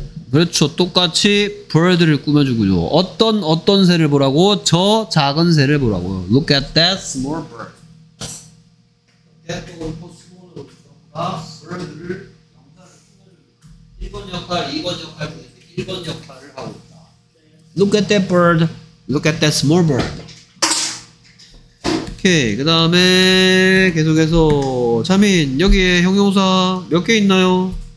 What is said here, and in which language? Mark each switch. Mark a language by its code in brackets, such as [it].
[ko] 그렇죠. 똑같이 bird를 꾸며주고요. 어떤 새를 보라고? 저 작은 새를 보라고요. [en] Look at that small bird. [ko] That 또 small bird를 명사를 꾸며주고 1번 역할, 2번 역할 1번 역할을 하고 있다. [en] Look at that bird. Look at that small bird. [ko] 오케이. 그 다음에 계속해서 차민, 여기에 형용사 몇 개 있나요?